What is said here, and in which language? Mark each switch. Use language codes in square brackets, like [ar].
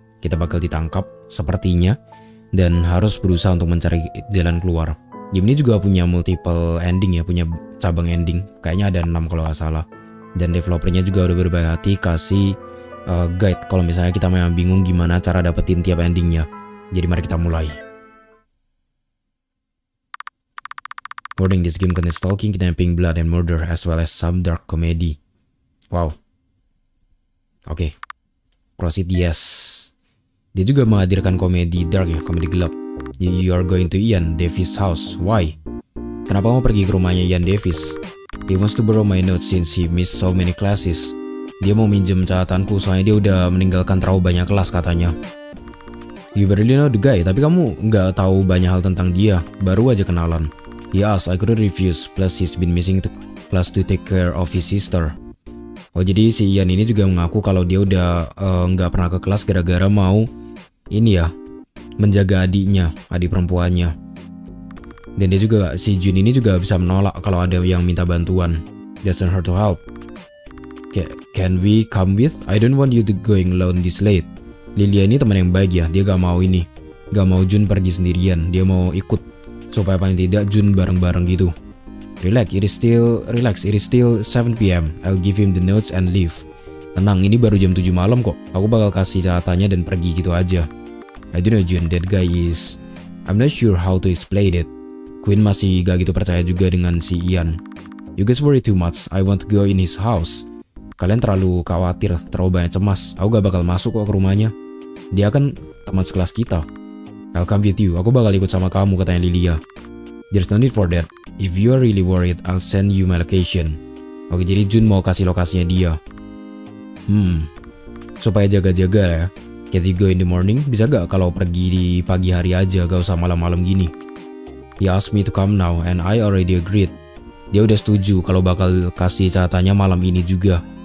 [id] Kita bakal ditangkap sepertinya, dan harus berusaha untuk mencari jalan keluar. Game ini juga punya multiple ending ya, punya cabang ending. Kayaknya ada 6 kalau gak salah. Dan developernya juga udah berbaik hati kasih guide kalau misalnya kita memang bingung gimana cara dapetin tiap endingnya. Jadi mari kita mulai. [en] Warning, this game contains stalking, kidnapping, blood and murder, as well as some dark comedy. Wow. Oke. Cross it, yes. [id] Dia juga menghadirkan komedi dark ya, komedi gelap. [en] You are going to Ian Davis' house. Why? [id] Kenapa mau pergi ke rumahnya Ian Davis? [en] He wants to borrow my notes since he missed so many classes. [id] Dia mau minjem catatanku soalnya dia udah meninggalkan terlalu banyak kelas katanya. [en] You barely know the guy, [id] tapi kamu nggak tahu banyak hal tentang dia. Baru aja kenalan. [en] Yes, I couldn't refuse. Plus he's been missing class to take care of his sister. [id] Oh, jadi si Ian ini juga mengaku kalau dia udah nggak pernah ke kelas gara-gara mau ini ya, menjaga adiknya, adik perempuannya. Dan dia juga, si Jun ini juga bisa menolak kalau ada yang minta bantuan. [en] Doesn't hurt to help. Can we come with? I don't want you to going alone this late. [id] Lilia ini teman yang baik ya, dia gak mau ini. Gak mau Jun pergi sendirian, dia mau ikut. Supaya paling tidak Jun bareng-bareng gitu. [en] Relax, it is still 7 PM. I'll give him the notes and leave. [id] Tenang, ini baru jam 7 malam kok. Aku bakal kasih catatannya dan pergi gitu aja. [en] I don't know Jun, that guy is... I'm not sure how to explain it. [id] Queen masih gak gitu percaya juga dengan si Ian. [en] You guys worry too much. I want to go in his house. [id] Kalian terlalu khawatir, terlalu banyak cemas. Aku gak bakal masuk kok ke rumahnya. Dia kan teman sekelas kita. [en] I'll come with you. [id] Aku bakal ikut sama kamu, katanya Lilia. [en] There's no need for that. If you are really worried, I'll send you my location. [id] Oke, jadi Jun mau kasih lokasinya dia. Supaya jaga-jaga ya. [en] Can you go in the morning? [id] Bisa gak kalau pergi di pagi hari aja, gak usah malam-malam gini? [en] He asked me to come now, and I already agreed. [id] Dia udah setuju kalau bakal kasih catatannya malam ini juga.